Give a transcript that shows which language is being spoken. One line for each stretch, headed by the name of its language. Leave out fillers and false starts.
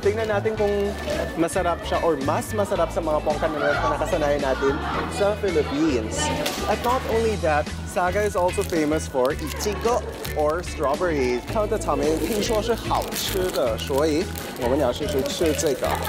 Filipino: Tingnan natin kung masarap siya or mas masarap sa mga pongkai na meron nakasanayan natin sa Philippines.
English: And not only that, Saga is also famous for itigo or strawberry.
Chinese: 他们的草莓听说是好吃的，所以我们要试试吃这个。